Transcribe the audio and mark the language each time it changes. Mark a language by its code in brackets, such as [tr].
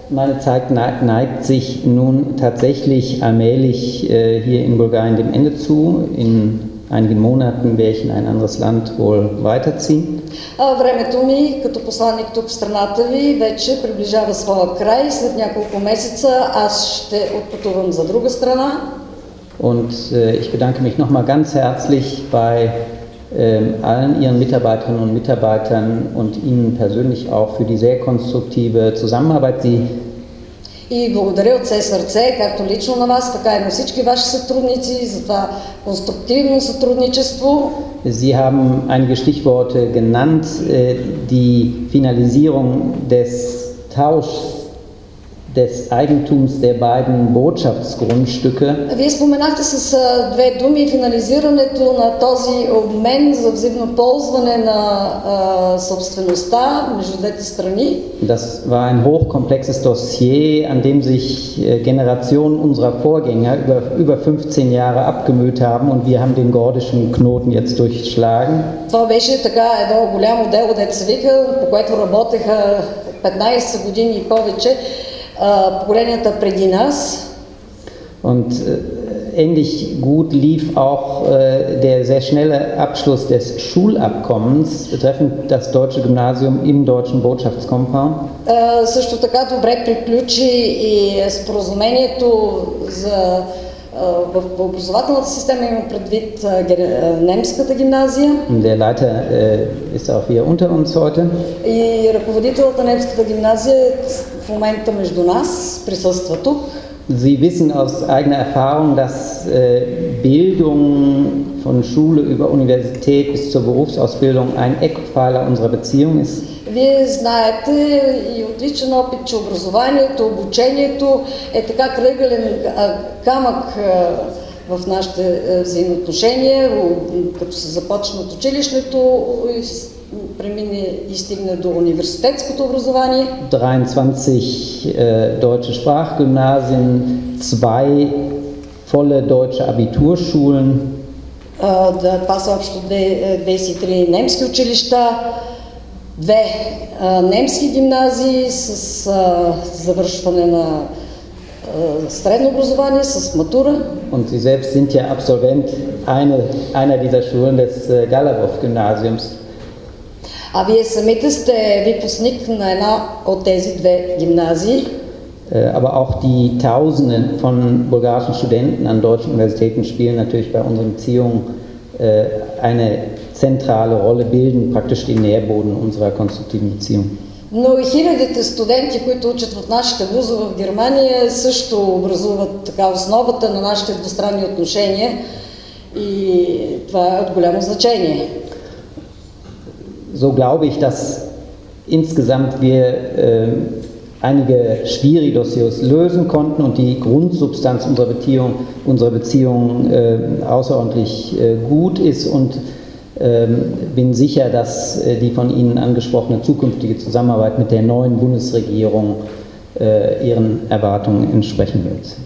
[de] Meine Zeit neigt sich nun tatsächlich allmählich hier in Bulgarien dem Ende zu. In einigen Monaten werde ich in ein anderes Land wohl weiterziehen. [bg] Времето ми като посланик тук в страната ви вече приближава своя край. След няколко месеца аз ще отпътувам за друга страна. [de] Und ich bedanke mich nochmal ganz herzlich bei allen Ihren Mitarbeiterinnen und Mitarbeitern und Ihnen persönlich auch für die sehr konstruktive Zusammenarbeit. Sie [bg] И благодаря от все сърце, както лично на вас, така и на всички ваши сътрудници за това конструктивно сътрудничество. [de] Sie haben einige Stichworte genannt, die Finalisierung des Tauschs des Eigentums der beiden Botschaftsgrundstücke. [bg] Вие споменахте с две думи финализирането на този обмен за взаимно ползване на собствеността между двете страни. [de] Das war ein hochkomplexes Dossier, an dem sich Generationen unserer Vorgänger über 15 Jahre abgemüht haben und wir haben den gordischen Knoten jetzt durchschlagen. [bg] Това беше така едно голямо дело, дето се вика, по което работеха 15 години и повече. Поколенията преди нас. [de] Und ähnlich gut lief auch der sehr schnelle Abschluss des Schulabkommens betreffend das deutsche Gymnasium im deutschen Botschaftskompound. [bg] Също така добре приключи и споразумението за в образователната система, има предвид немската гимназия. [de] Der Leiter ist auch hier unter uns heute. [bg] И ръководителят на немската гимназия в момента между нас присъства тук. [de] Sie wissen aus eigener Erfahrung, dass Bildung von Schule über Universität bis zur Berufsausbildung ein Eckpfeiler unserer Beziehung ist. [bg] Вие знаете и от личен опит, че образованието, обучението е така кръгълен камък в нашите взаимоотношения, като се започне от училището и премине и стигне до университетското образование. [de] 23 deutsche Sprachgymnasien, 2 volle deutsche Abiturschulen. [bg] Това са общо 23 немски училища. Две немски гимназии с завършване на средно образование с матура. [de] Und Sie selbst sind ja Absolvent einer dieser Schulen des Galabow-Gymnasiums. [bg] А вие самите сте випускник на една от тези две гимназии. [de] Aber auch die Tausenden von bulgarischen Studenten an deutschen Universitäten spielen natürlich bei unseren Beziehungen eine zentrale Rolle, bilden praktisch den Nährboden unserer konstruktiven Beziehung. [bg] Но и хилядите студенти, които учат в нашите вузове в Германия, също образуват така основата на нашите двустранни отношения и това е от голямо значение. [de] So glaube ich, dass insgesamt wir einige schwierige Dossiers lösen konnten und die Grundsubstanz unserer Beziehung außerordentlich gut ist und bin sicher, dass die von Ihnen angesprochene zukünftige Zusammenarbeit mit der neuen Bundesregierung Ihren Erwartungen entsprechen wird.